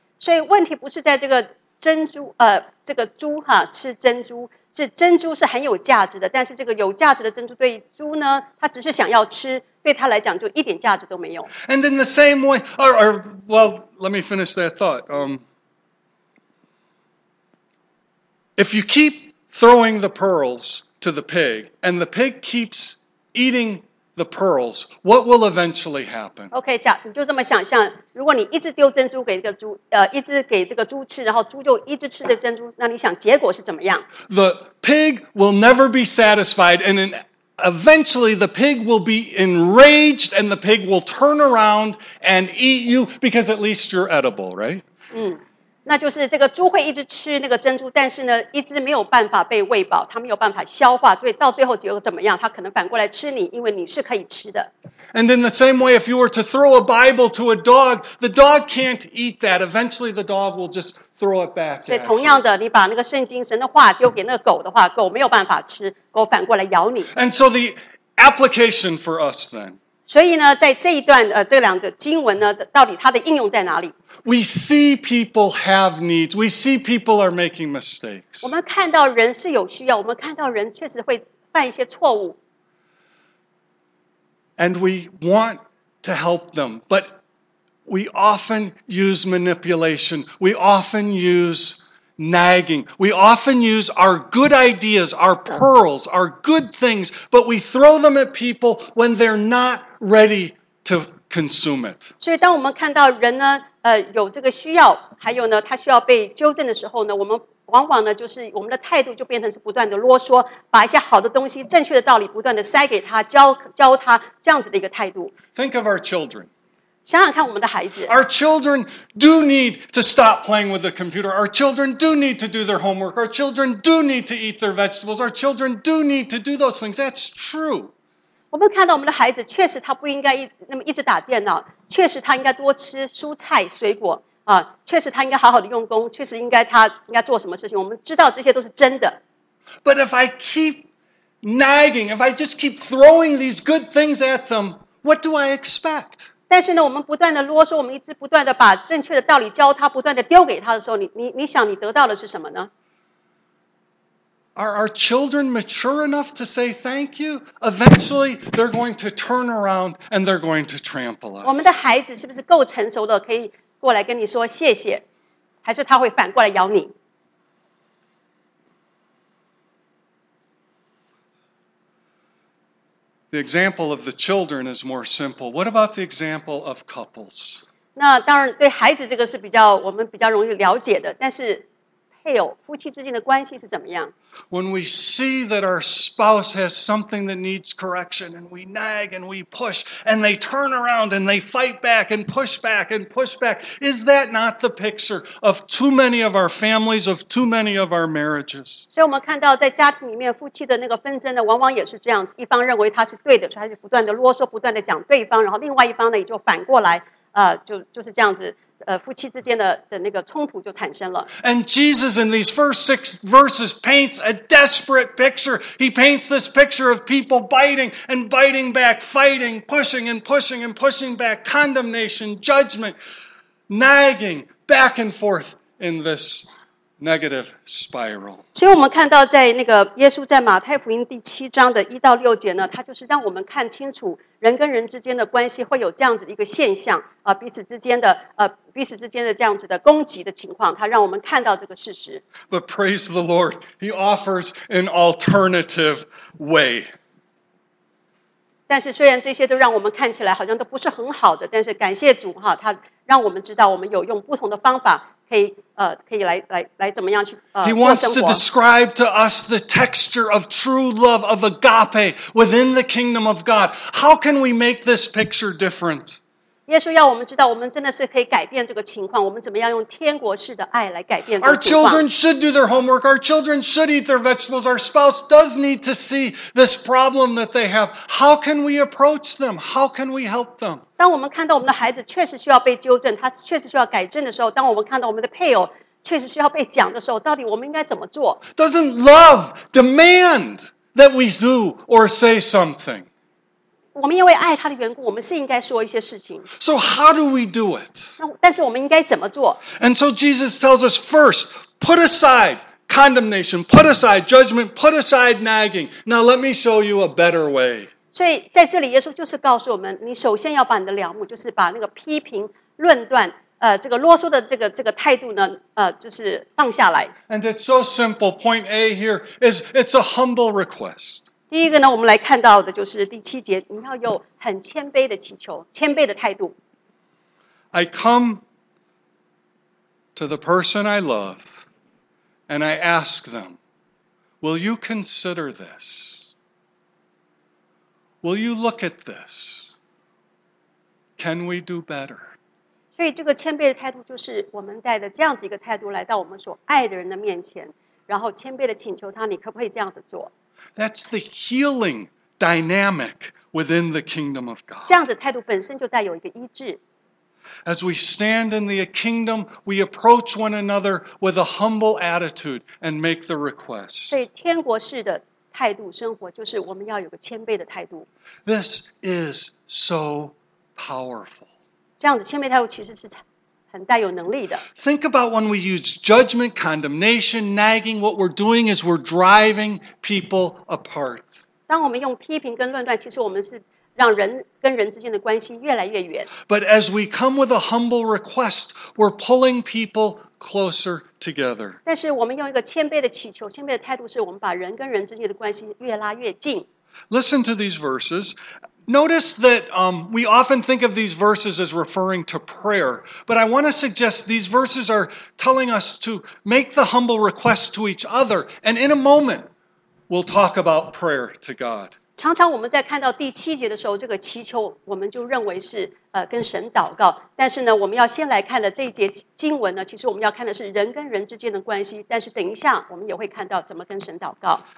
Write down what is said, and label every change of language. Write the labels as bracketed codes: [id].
[zh] 所以问题不是在这个珍珠，这个猪哈吃珍珠，是珍珠是很有价值的，但是这个有价值的珍珠对猪呢，它只是想要吃。对他来讲就一点价值都没有。 [en] And in the same way, or well, let me finish that thought. If you keep throwing the pearls to the pig, and the pig keeps eating the pearls, what will eventually happen? [zh] Okay, 你就这么想象，如果你一直丢珍珠给这个猪，一直给这个猪吃，然后猪就一直吃着珍珠，那你想结果是怎么样？ [en] The pig will never be satisfied, and eventually, the pig will be enraged, and the pig will turn around and eat you because at least you're edible, right? [zh] 那就是这个猪会一直吃那个珍珠，但是呢，一直没有办法被喂饱，它没有办法消化，所以到最后结果怎么样？它可能反过来吃你，因为你是可以吃的。 [en] And in the same way, if you were to throw a Bible to a dog, the dog can't eat that. Eventually, the dog will just throw it back. [zh] 所以同样的，你把那个圣经神的话丢给那个狗的话，狗没有办法吃，狗反过来咬你。 [en] And so the application for us then. [zh] 所以呢，在这一段这两个经文呢，到底它的应用在哪里？ [en] We see people have needs. We see people are making mistakes. [zh] 我们看到人是有需要，我们看到人确实会犯一些错误。 [en] And we want to help them, but we often use manipulation. We often use nagging. We often use our good ideas, our pearls, our good things, but we throw them at people when they're not ready to consume it. [zh] 所以当我们看到人呢，有这个需要，还有呢，他需要被纠正的时候呢，我们往往呢，就是我们的态度就变成是不断的啰嗦，把一些好的东西、正确的道理不断的塞给他、教他这样子的一个态度。 [en] Think of our children. [zh] 想想看我们的孩子。 [en] Our children do need to stop playing with the computer. Our children do need to do their homework. Our children do need to eat their vegetables. Our children do need to do those things. That's true. [zh] 我们看到我们的孩子确实他不应该那么一直打电脑，确实他应该多吃蔬菜水果。确实他应该好好的用功，确实应该他应该做什么事情，我们知道这些都是真的。 [en] But if I keep nagging, if I just keep throwing these good things at them, what do I expect? [zh] 但是呢，我们不断的啰嗦，我们一直不断的把正确的道理教他，不断的丢给他的时候，你想你得到的是什么呢？ [en] Are our children mature enough to say thank you? Eventually, they're going to turn around and they're going to trample us. [zh] 我们的孩子是不是够成熟的，可以过来跟你说谢谢，还是他会反过来咬你？ [en] The example of the children is more simple. What about the example of couples? [zh] 那当然对孩子这个是比较我们比较容易了解的，但是配偶夫妻之间的关系是怎么样？ [en] When we see that our spouse has something that needs correction and we nag and we push and they turn around and they fight back and push back and push back, is that not the picture of too many of our families, of too many of our marriages? [zh] 所以我们看到在家庭里面夫妻的那个纷争呢往往也是这样子，一方认为他是对的，所以他就不断的啰嗦，不断的讲对方，然后另外一方呢也就反过来就是这样子夫妻之间 的那个冲突就产生了。 [en] And Jesus in these first six verses paints a desperate picture. He paints this picture of people biting and biting back, fighting, pushing and pushing and pushing back, condemnation, judgment, nagging, back and forth in this negative spiral. [zh] 所以我们看到在那个耶稣在马太福音第七章的一到六节呢，他就是让我们看清楚人跟人之间的关系会有这样子的一个现象彼此之间的彼此之间的这样子的攻击的情况，他让我们看到这个事实。 [en] But praise the Lord, he offers an alternative way. [zh] 但是虽然这些都让我们看起来好像都不是很好的，但是感谢主哈，他让我们知道我们有用不同的方法可以来怎么样去 [en] He wants to describe to us the texture of true love of agape within the kingdom of God. How can we make this picture different? [zh] 耶稣要我们知道，我们真的是可以改变这个情况。我们怎么样用天国式的爱来改变这个情况 [en] ？Our children should do their homework. Our children should eat their vegetables. Our spouse does need to see this problem that they have. How can we approach them? How can we help them? [zh] 当我们看到我们的孩子确实需要被纠正，他确实需要改正的时候，当我们看到我们的配偶确实需要被讲的时候，到底我们应该怎么做 [en] ？Doesn't love demand that we do or say something? [zh] 我们因为爱他的缘故，我们是应该说一些事情。 [en] So how do we do it? [zh] 但是我们应该怎么做 [en] ？And so Jesus tells us first, put aside condemnation, put aside judgment, put aside nagging. Now let me show you a better way. [zh] 所以在这里，耶稣就是告诉我们，你首先要把你的良木，就是把那个批评、论断。这个啰嗦的这个态度呢，就是放下来。 [en] And it's so simple. Point A here is it's a humble request. [zh] 第一个呢，我们来看到的就是第七节，你要有很谦卑的祈求，谦卑的态度。 [en] I come to the person I love, and I ask them, "Will you consider this? Will you look at this? Can we do better?" [zh] 所以这个谦卑的态度就是我们带着这样子一个态度来到我们所爱的人的面前，然后谦卑的请求他，你可不可以这样子做 [en] ？That's the healing dynamic within the kingdom of God. [zh] 这样的态度本身就带有一个医治。 [en] As we stand in the kingdom, we approach one another with a humble attitude and make the request. [zh] 所以天国式的态度生活就是我们要有个谦卑的态度。 [en] This is so powerful. [zh] 这样的谦卑态度其实是很带有能力的。 [en] Think about when we use judgment, condemnation, nagging, what we're doing is we're driving people apart. [zh] 当我们用批评跟论断，其实我们是让人跟人之间的关系越来越远。 [en] But as we come with a humble request, we're pulling people closer together. [zh] 但是我们用一个谦卑的祈求，谦卑的态度是我们把人跟人之间的关系越拉越近。 [en] Listen to these verses. Notice that we often think of these verses as referring to prayer, but I want to suggest these verses are telling us to make the humble request to each other, and in a moment, we'll talk about prayer to God. [zh] 常常我们在看到第七节的时候，这个祈求我们就认为是跟神祷告，但是呢，我们要先来看的这一节经文呢，其实我们要看的是人跟人之间的关系，但是等一下我们也会看到怎么跟神祷告。